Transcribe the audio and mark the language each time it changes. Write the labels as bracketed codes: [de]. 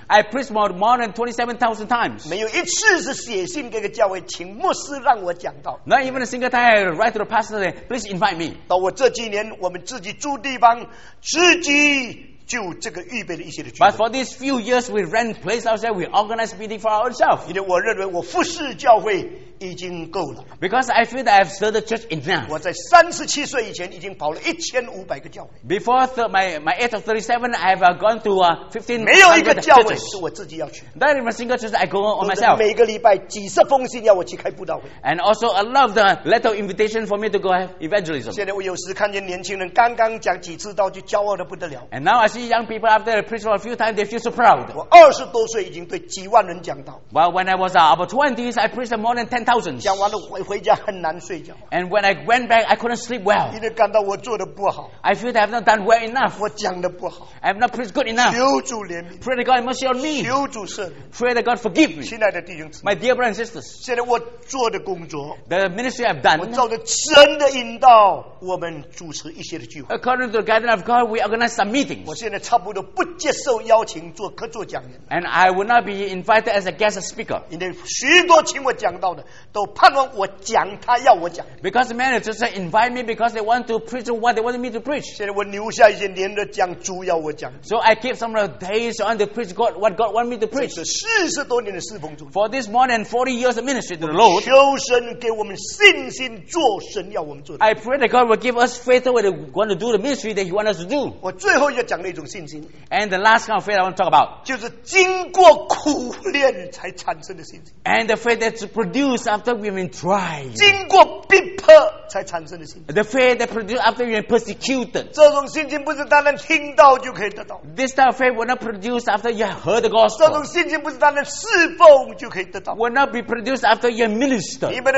[en] I preached more than 27,000 times. [zh] 没有一次是写信给个教会，请牧师让我讲到 [en] Not even a single time I write to the pastor, please invite me. [zh] 到我这几年，我们自己住地方，自己。就这个预备的一些的聚会。 [en] But for these few years, we rent place ourselves. We organize meeting for ourselves. [zh] 因为我认为我服侍教会已经够了。 [en] Because I feel that I've served the church enough. [zh] 我在37岁以前已经跑了1500个教会。 [en] Before my age of 37, I have gone to 15. [zh] 没有一个教会是我自己要去。 [en] Not even a single church I go on myself. [zh] 每个礼拜几十封信要我去开布道会。 [en] And also a lot of the little invitation for me to go evangelism. [zh] 现在我有时看见年轻人刚刚讲几次道就骄傲的不得了。 [en] And now I see young people after they preach for a few times they feel so proud. [zh] 我二十多岁已经对几万人讲道。 [en] Well, when I was about 20s, I preached more than 10. thousands. [zh] 讲完了回家很难睡觉. [en] And when I went back, I couldn't sleep well. [zh] 因为感到我做得不好. [en] I feel that I have not done well enough. [zh] 我讲得不好. [en] I have not preached good enough. [zh] 求主怜悯. [en] Pray that God mercy on me. [zh] 求主赦免. [en] Pray that God forgive me. [zh] 亲爱的弟兄姊妹. [en] My dear brothers and sisters. [zh] 现在我做的工作. [en] The ministry I've done. [zh] 我照着神的引导, 我们主持一些的聚会. [en] According to the guidance of God, we organize some meetings. [zh] 我现在差不多不接受邀请做客座讲员. [en] And I will not be invited as a guest speaker. [zh] 因为许多请我讲到的都盼望我讲他要我讲. [en] Because many just invite me because they want to preach what they want me to preach. [zh] 现在我留下一些年的讲主要我讲. [en] So I keep some of the days on to preach God what God want me to preach. [zh] 这是40多年的侍奉主. [en] For this more than 40 years of ministry to the Lord. [zh] 求神给我们信心做神要我们做的. [en] I pray that God will give us faith when we want to do the ministry that he wants us to do. [zh] 我最后要讲的一种信心. [en] And the last kind of faith I want to talk about. [zh] 就是经过苦练才产生的信心. [en] And the faith that's produced after we've been tried. [zh] 经过逼迫才产生的信心. [en] The faith that produced after we've been persecuted. [zh] 这种信心不是单单听到就可以得到. [en] This type of faith will not produce after you have heard the gospel. [zh] 这种信心不是单单侍奉就可以得到. [en] Will not be produced after you minister.